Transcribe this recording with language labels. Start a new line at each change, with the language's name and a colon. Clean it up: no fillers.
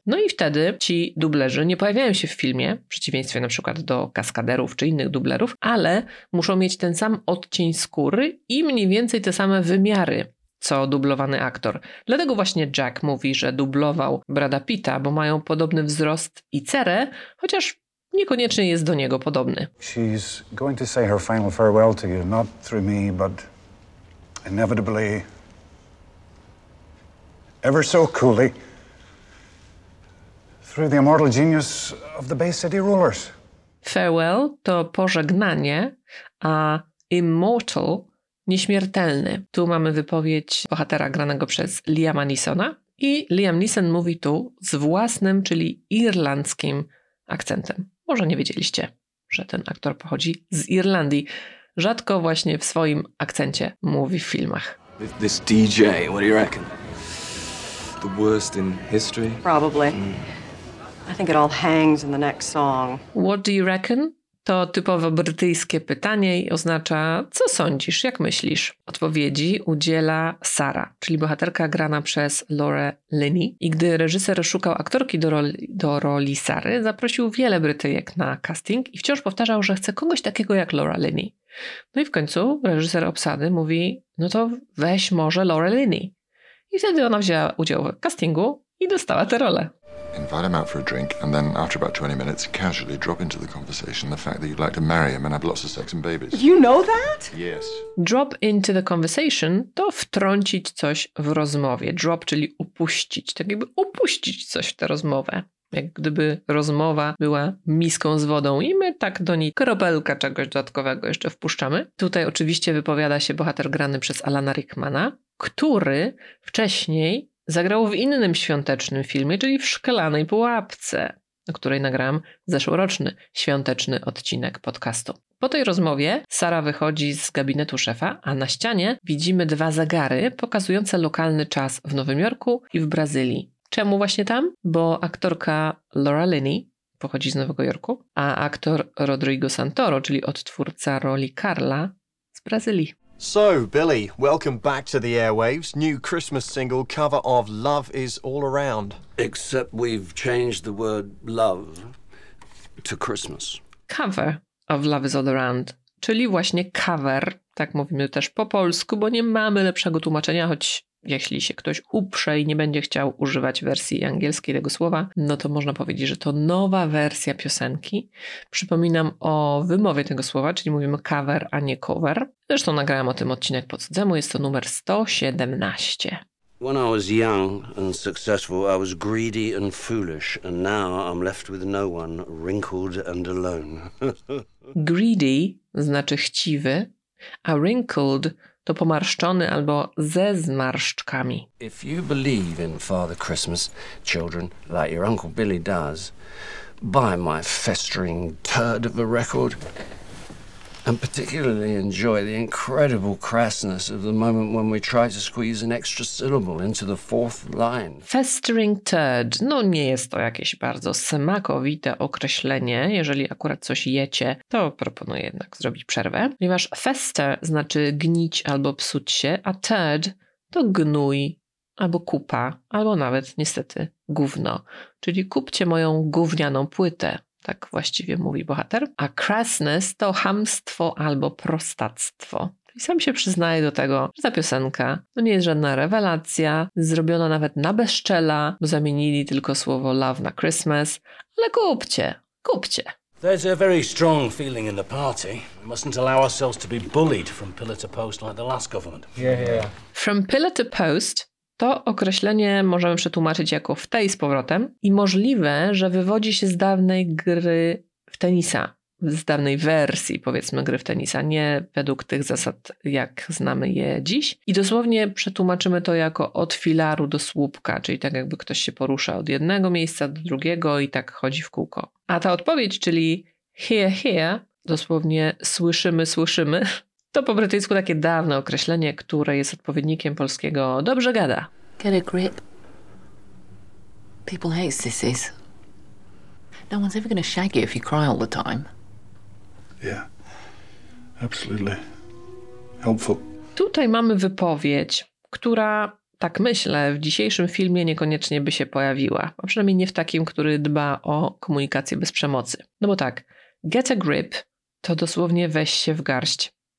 Polish: No i wtedy ci dublerzy nie pojawiają się w filmie, w przeciwieństwie na przykład do kaskaderów czy innych dublerów, ale muszą mieć ten sam odcień skóry i mniej więcej te same wymiary, co dublowany aktor. Dlatego właśnie Jack mówi, że dublował Brada Pitta, bo mają podobny wzrost i cerę, chociaż niekoniecznie jest do niego podobny.
English: She's going to say her final farewell to you, not through me, but inevitably, ever so coolly, through the immortal genius of the Bay City Rulers.
Polish: Farewell to pożegnanie, a immortal nieśmiertelny. Tu mamy wypowiedź bohatera granego przez Liama Neesona i Liam Neeson mówi tu z własnym, czyli irlandzkim akcentem. Może nie wiedzieliście, że ten aktor pochodzi z Irlandii. Rzadko właśnie w swoim akcencie mówi w filmach.
English: This DJ, what do you reckon? The worst in history? Probably. I think it all hangs in the next song. What do you reckon?
Polish: To typowo brytyjskie pytanie i oznacza, co sądzisz, jak myślisz? Odpowiedzi udziela Sara, czyli bohaterka grana przez Laura Linney. I gdy reżyser szukał aktorki do roli Sary, zaprosił wiele Brytyjek na casting i wciąż powtarzał, że chce kogoś takiego jak Laura Linney. No i w końcu reżyser obsady mówi, no to weź może Laura Linney. I wtedy ona wzięła udział w castingu i dostała tę rolę.
English: Invite him out for a drink, and then after about 20 minutes, casually drop into the conversation the fact that you'd like to marry him and have lots of sex and babies. You know that? Yes. Drop into the conversation
Polish: to wtrącić coś w rozmowie. Drop, czyli upuścić. Tak jakby upuścić coś w tę rozmowę. Jak gdyby rozmowa była miską z wodą i my tak do niej kropelka czegoś dodatkowego jeszcze wpuszczamy. Tutaj oczywiście wypowiada się bohater grany przez Alana Rickmana, który wcześniej zagrał w innym świątecznym filmie, czyli w Szklanej Pułapce, o której nagrałam zeszłoroczny świąteczny odcinek podcastu. Po tej rozmowie Sara wychodzi z gabinetu szefa, a na ścianie widzimy dwa zegary pokazujące lokalny czas w Nowym Jorku i w Brazylii. Czemu właśnie tam? Bo aktorka Laura Linney pochodzi z Nowego Jorku, a aktor Rodrigo Santoro, czyli odtwórca roli Carla, z Brazylii.
English: So, Billy, welcome back to the airwaves. New Christmas single cover of Love Is All Around. Except we've changed the word love to Christmas. Cover of Love Is All Around,
Polish: czyli właśnie cover, tak mówimy też po polsku, bo nie mamy lepszego tłumaczenia, choć jeśli się ktoś uprze i nie będzie chciał używać wersji angielskiej tego słowa, no to można powiedzieć, że to nowa wersja piosenki. Przypominam o wymowie tego słowa, czyli mówimy cover, a nie cover. Zresztą nagrałem o tym odcinek po cudzemu, jest to numer 117.
English: When I was young and successful, I was greedy and foolish, and now I'm left with no one, wrinkled and alone. Greedy
Polish: znaczy chciwy, a wrinkled to pomarszczony albo ze zmarszczkami.
English: If you believe in Father Christmas, children, like your Uncle Billy does, buy my festering turd of a record and particularly enjoy the incredible crassness of the moment when we try to squeeze an extra syllable into the fourth line. Festering turd.
Polish: No nie jest to jakieś bardzo smakowite określenie. Jeżeli akurat coś jecie, to proponuję jednak zrobić przerwę. Ponieważ fester znaczy gnić albo psuć się, a turd to gnój albo kupa, albo nawet niestety gówno. Czyli kupcie moją gównianą płytę. Tak właściwie mówi bohater. A crassness to chamstwo albo prostactwo. I sam się przyznaję do tego, że ta piosenka to nie jest żadna rewelacja, zrobiona nawet na bezczela, bo zamienili tylko słowo love na Christmas. Ale kupcie, kupcie.
English: There's a very strong feeling in the party. We mustn't allow ourselves to be bullied from pillar to post like the last government. Yeah. From pillar to post.
Polish: To określenie możemy przetłumaczyć jako w tej z powrotem i możliwe, że wywodzi się z dawnej gry w tenisa, z dawnej wersji powiedzmy gry w tenisa, nie według tych zasad jak znamy je dziś. I dosłownie przetłumaczymy to jako od filaru do słupka, czyli tak jakby ktoś się porusza od jednego miejsca do drugiego i tak chodzi w kółko. A ta odpowiedź, czyli
English: here, here,
Polish: dosłownie słyszymy, słyszymy, to po brytyjsku takie dawne określenie, które jest odpowiednikiem polskiego dobrze gada.
English: Get a grip. People hate sissies. No one's ever gonna shag you if you cry all the time. Yeah. Absolutely. Helpful.
Polish: Tutaj mamy wypowiedź, która, tak myślę, w dzisiejszym filmie niekoniecznie by się pojawiła. A przynajmniej nie w takim, który dba o komunikację bez przemocy. No bo tak,
English: get a grip
Polish: to dosłownie weź się w garść.